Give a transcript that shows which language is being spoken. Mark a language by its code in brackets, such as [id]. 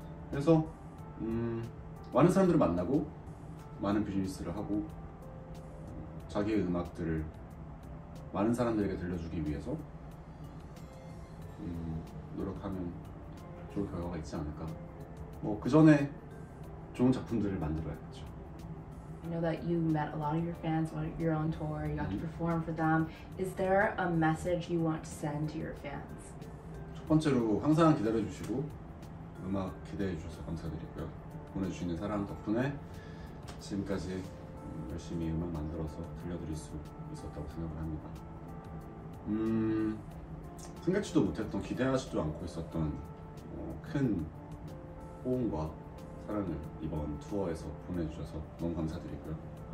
[ko] 그래서 많은 사람들을 만나고 많은 비즈니스를 하고 자기의 음악들을 많은 사람들에게 들려주기 위해서 노력하면 좋은 결과가 있지 않을까. 뭐 그 전에 좋은 작품들을 만들어야겠죠. [en] I know that you met a lot of your fans on your own tour. You got to perform for them. Is there a message you want to send to your fans? [ko] 첫 번째로 항상 기다려주시고 음악 기대해 주셔서 감사드리고요. 보내주시는 사람 덕분에 지금까지 열심히 음악 만들어서 들려드릴 수 있었다고 생각을 합니다. 생각지도 못했던 기대하지도 않고 있었던 큰 호응과 사랑을 이번 투어에서 보내주셔서 너무 감사드리고요.